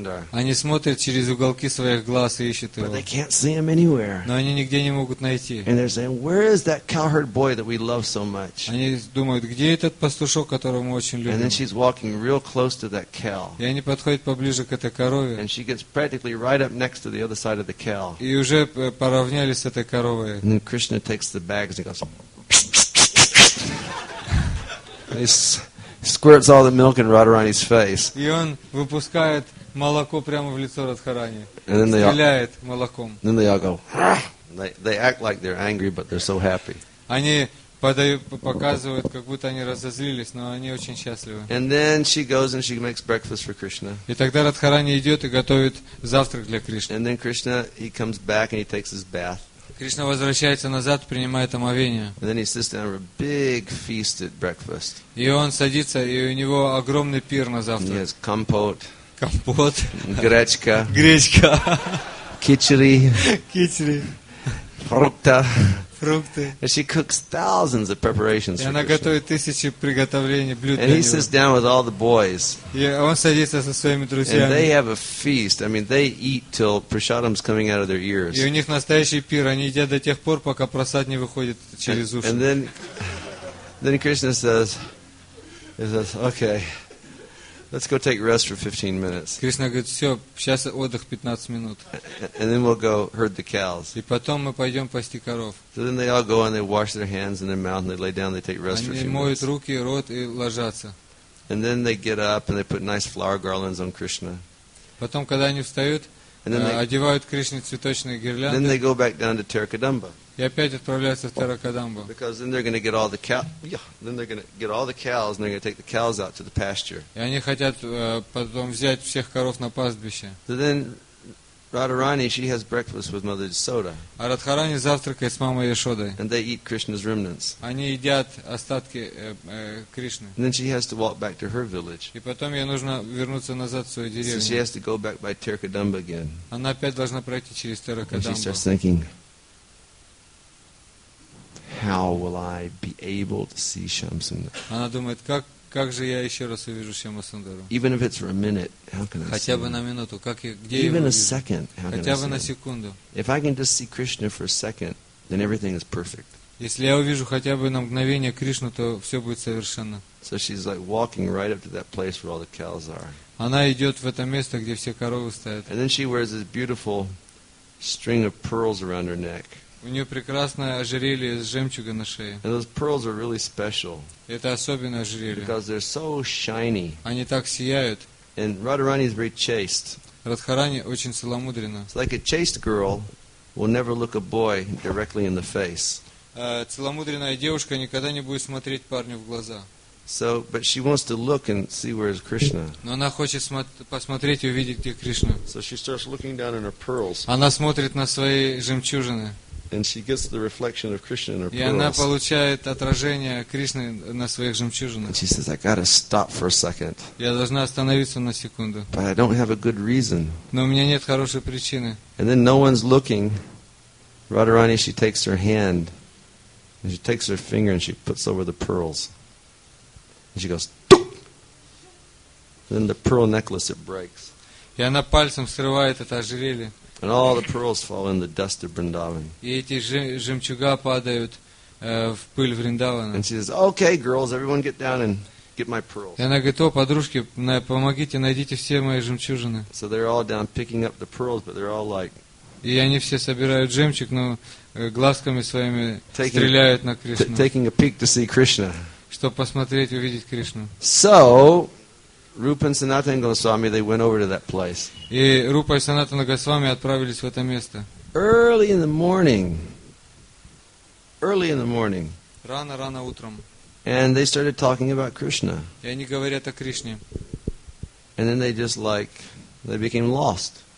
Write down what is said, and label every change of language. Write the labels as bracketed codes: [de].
[ru] Они смотрят через уголки своих глаз и ищут его. [en] But they can't see him anywhere. [ru] Но они нигде не могут найти. [en] And they're saying, "Where is that cowherd boy that we love so much?" [ru] Они думают, где этот пастушок, которого мы очень любим. [en] And then she's walking real close to that cow. [ru] И они подходят поближе к этой корове. [en] And she gets practically right up next to the other side of the cow. [ru] И уже поравнялись с этой коровой. [en] And then Krishna takes the bags and goes. He squirts all the milk in Radharani's face. [ru] И он выпускает молоко прямо в лицо Радхарани. Стреляет молоком. [en] Then they all go. They act like they're angry, but they're so happy. [ru] Они подают, показывают, как будто они разозлились, но они очень счастливы. [en] And then she goes and she makes breakfast for Krishna. [ru] И тогда Радхарани идет и готовит завтрак для Кришны. [en] And then Krishna he comes back and he takes his bath. [ru] Кришна возвращается назад, принимает омовение. И он садится, и у него огромный пир на завтра. [en] He has компот. [ru] Компот. Гречка. Гречка. Кичери. Кичери. Фрукта. Фрукты. [en] And she cooks thousands of preparations. [ru] И она готовит тысячи приготовлений блюд. [en] And he sits down with all the boys. [ru] И он садится со своими друзьями. [en] And they have a feast. I mean, they eat till prasadam's coming out of their ears. [ru] И у них настоящий пир. Они едят до тех пор, пока прасад не выходит через уши. [en] And then Krishna says, okay, Let's go take rest for 15 minutes. [ru] Кришна говорит, все, сейчас отдых 15 минут. [en] And then we'll go herd the cows. [ru] И потом мы пойдем пасти коров. [en] So then they all go and they wash their hands and their mouth and they lay down, they take rest for a few minutes. [ru] Они моют руки, рот и ложатся. [en] And then they get up and they put nice flower garlands on Krishna. [ru] Потом, когда они встают, одевают Кришне цветочные гирлянды. [en] Then they go back down to Tarakadamba. [ru] И опять отправляются в Таракадамбу. [en] Because then they're going to get all the cows. Yeah. Then they're going to get all the cows and they're going to take the cows out to the pasture. [ru] И они хотят потом взять всех коров на пастбище. [en] So then Radharani, she has breakfast with Mother Yashoda. [ru] А Радхарани завтракает с мамой Яшодой. [en] And they eat Krishna's remnants. [ru] Они едят остатки Кришны. [en] And then she has to walk back to her village. [ru] И потом ей нужно вернуться назад в свою деревню. [en] So she has to go back by Tarakadamba again. [ru] Она опять должна пройти через Таракадамбу. [en] And she starts thinking, how will I be able to see Shyamasundara? [ru] Она думает, как же я еще раз увижу Шьямасундару? [en] Even if it's for a minute, how can I see? [ru] Хотя бы на минуту, как я, где [en] Even a second, how [ru] Хотя бы на секунду. [en] If I can just see Krishna for a second, then everything is perfect. [ru] Если я увижу хотя бы на мгновение Кришну, то все будет совершенно. [en] So she's like walking right up to that place where all the cows are. [ru] Она идет в это место, где все коровы стоят. [en] And then she wears this beautiful string of pearls around her neck. [ru] У нее прекрасное ожерелье из жемчуга на шее. [en] And those pearls are really special. [ru] Это особенное ожерелье. [en] Because they're so shiny. [ru] Они так сияют. [en] And Radharani is very chaste. [ru] Радхарани очень целомудрена. [en] It's like a chaste girl will never look a boy directly in the face. [ru] Целомудренная девушка никогда не будет смотреть парню в глаза. [en] So, but she wants to look and see where is Krishna. [ru] Но она хочет посмотреть и увидеть, где Кришна. [en] So she starts looking down in her pearls. [ru] Она смотрит на свои жемчужины. [en] And she gets the reflection of Krishna in her pearls. [ru] И она получает отражение Кришны на своих жемчужинах. [en] And she says, "I got to stop for a second." [ru] Я должна остановиться на секунду. [en] But I don't have a good reason. [ru] Но у меня нет хорошей причины. [en] And then no one's looking. Radharani, she takes her hand, and she takes her finger, and she puts over the pearls. And she goes, "Tuk!" Then the pearl necklace it breaks. [ru] И она пальцем срывает это ожерелье. [en] And all the pearls fall in the dust of Vrindavan. [ru] И эти жемчуга падают в пыль Вриндавана. [en] And she says, "Okay, girls, everyone get down and get my pearls." [ru] И она говорит: "О, подружки, помогите, найдите все мои жемчужины." [en] So they're all down picking up the pearls, but they're all like. [ru] И они все собирают жемчуг, но глазками своими стреляют на Кришну. [en] Taking a peek to see Krishna. [ru] Чтобы посмотреть, увидеть Кришну. [en] So. Rupa and Sanatana Goswami, they went over to that place. [ru] И Рупа и Санатана Госвами отправились в это место. [en] Early in the morning. [ru] Рано утром. [en] And they started talking about Krishna. [ru] И они говорят о Кришне. [en] And then they became lost.